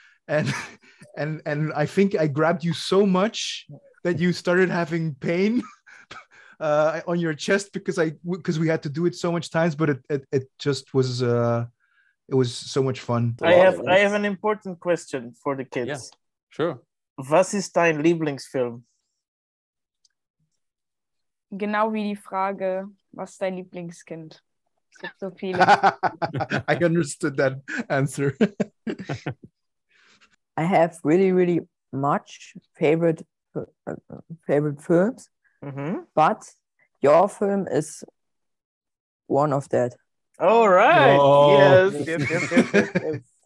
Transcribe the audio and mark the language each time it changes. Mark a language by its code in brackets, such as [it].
[en] And I think I grabbed you so much that you started having pain. On your chest, because we had to do it so much times, but it just was it was so much fun. I have an important question for the kids. Yeah, sure. [de] Was ist dein Lieblingsfilm? Genau wie die Frage, was ist dein Lieblingskind? So viele. [en] I understood that answer. I have really, really much favorite films, mm-hmm. but your film is one of that. All right. Oh. Yes.